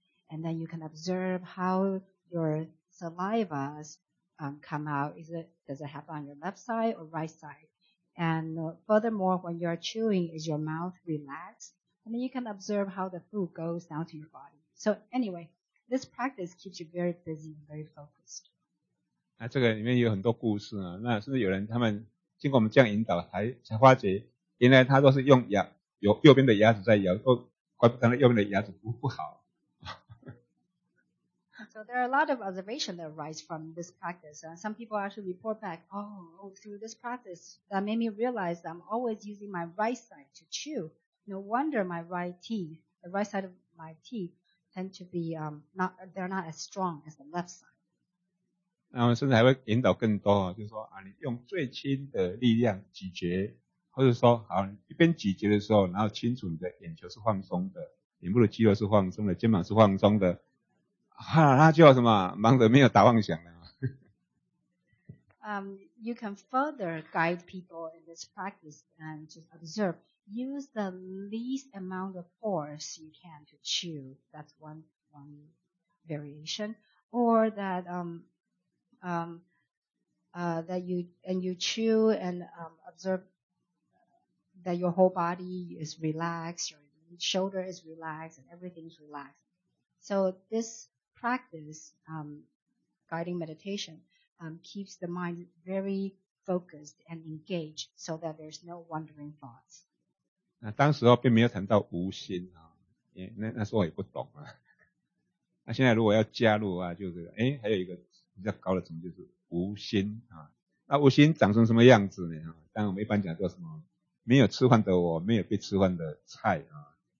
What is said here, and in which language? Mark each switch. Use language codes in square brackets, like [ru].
[en] And then you can observe how your salivas, come out. Does it happen on your left side or right side? And furthermore, when you are chewing, is your mouth relaxed? And then you can observe how the food goes down to your body. So anyway, this practice keeps you very busy and very focused. [zh] 那这个里面有很多故事啊。那甚至有人他们经过我们这样引导才发觉，原来他都是用牙有右边的牙齿在咬，都怪不得右边的牙齿不好。 [en] So there are a lot of observations that arise from this practice. Some people actually report back, oh, through this practice, that made me realize that I'm always using my right side to chew. No wonder my right teeth, the right side of my teeth tend to be, they're not as strong as the left side. [zh] 那我甚至还会引导更多，就是说啊，你用最轻的力量咀嚼，或者说好，一边咀嚼的时候，然后清楚你的眼球是放松的，眼部的肌肉是放松的，肩膀是放松的，哈，那就什么，忙得没有打妄想了。 [en] You can further guide people in this practice and just observe. Use the least amount of force you can to chew. That's one variation. Or that, that you, and you chew and, observe that your whole body is relaxed, your shoulder is relaxed, and everything's relaxed. So this practice, guiding meditation, keeps the mind very focused and engaged so that there's no wandering thoughts. [zh] 那当时候并没有谈到无心啊，那时候我也不懂啊。那现在如果要加入啊，就是还有一个比较高的层就是无心啊。那无心长成什么样子呢？当我们一般讲叫什么？没有吃饭的我，没有被吃饭的菜啊。